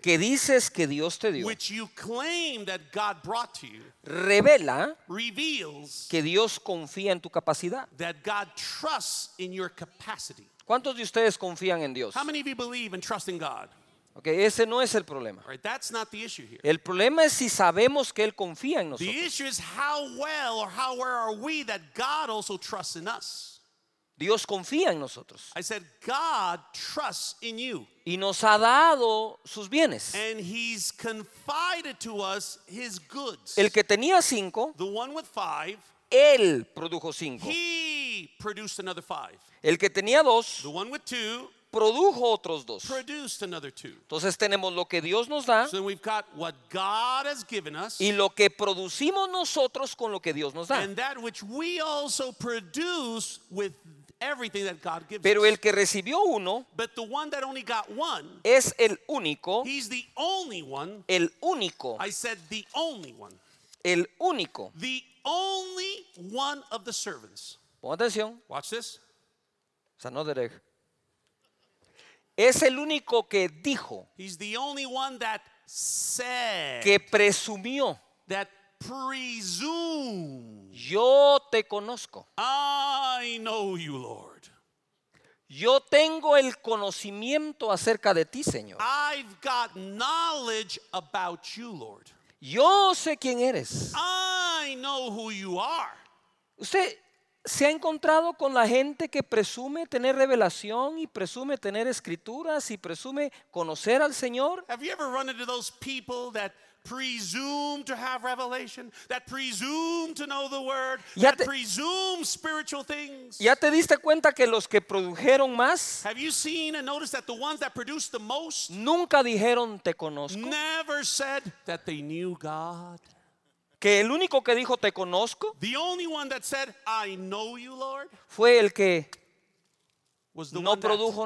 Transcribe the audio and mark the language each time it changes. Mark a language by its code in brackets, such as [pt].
[es] Que dices que Dios te dio. [en] Which you claim that God brought to you. [es] Revela. [en] Reveals. [es] Que Dios confía en tu capacidad. [en] That God trusts in your capacity. [es] ¿Cuántos de ustedes confían en Dios? [en] How many of you believe and trust in God? [es] Okay, ese no es el problema. [en] Right, that's not the issue here. [es] El problema es si sabemos que él confía en nosotros. [en] The issue is how well or how well are we that God also trusts in us. [es] Dios confía en nosotros. [en] I said God trusts in you. [es] Y nos ha dado sus bienes. [en] And he's confided to us his goods. [es] El que tenía 5, [en] the one with 5, [es] él produjo 5. [en] He produced another 5. [es] El que tenía 2, [en] the one with 2, [es] produjo otros 2. [en] Produced another 2. [es] Entonces tenemos lo que Dios nos da, [en] so then we've got what God has given us, [es] y lo que producimos nosotros con lo que Dios nos da. [en] And that which we also produce with everything that God gives [es] Pero el que recibió uno [en] but the one that only got one, [es] es el único. [en] He's the only one. [es] El único. [en] I said the only one. [es] El único. [en] The only one of the servants. [es] Pon atención. [en] Watch this. [es] Sanoderej. Es el único que dijo. [en] He's the only one that said. [es] Que presumió. [en] That presumed. [es] Yo te conozco. [en] I know you, Lord. [es] Yo tengo el conocimiento acerca de ti, Señor. [en] I've got knowledge about you, Lord. [es] Yo sé quién eres. [en] I know who you are. [es] Usted se ha encontrado con la gente que presume tener revelación y presume tener escrituras y presume conocer al Señor. [en] Have you ever run into those people that presume to have revelation, that presume to know the word, that presume spiritual things? [es] ¿Ya te diste cuenta que los que produjeron más? [en] Have you seen and noticed that the ones that produced the most [es] nunca dijeron te conozco? [en] Never said that they knew God. [es] Que el único que dijo te conozco, [en] the only one that said I know you, Lord, [es] fue el que [en] was the [es] no [en] one [es] produjo